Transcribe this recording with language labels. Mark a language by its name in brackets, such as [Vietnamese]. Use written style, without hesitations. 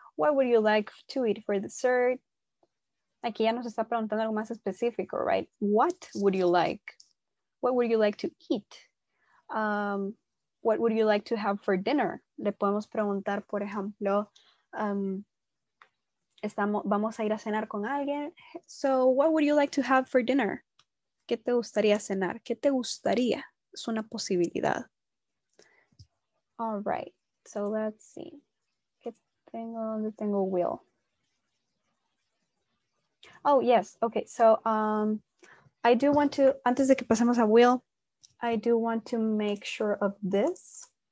[English] What would you like to eat for dessert? [Spanish] Aquí ya nos está preguntando algo más específico, right? [English] What would you like? What would you like to eat? What would you like to have for dinner? [Spanish] Le podemos preguntar, por ejemplo, vamos a ir a cenar con alguien. [English] So, what would you like to have for dinner? [Spanish] ¿Qué te gustaría cenar? ¿Qué te gustaría? Es una posibilidad. [English] All right. So, let's see. [Spanish] ¿Qué tengo? ¿Dónde tengo will? [English] Oh, yes. Okay. So, I do want to, [Spanish] antes de que pasemos a will, [English] I do want to make sure of this.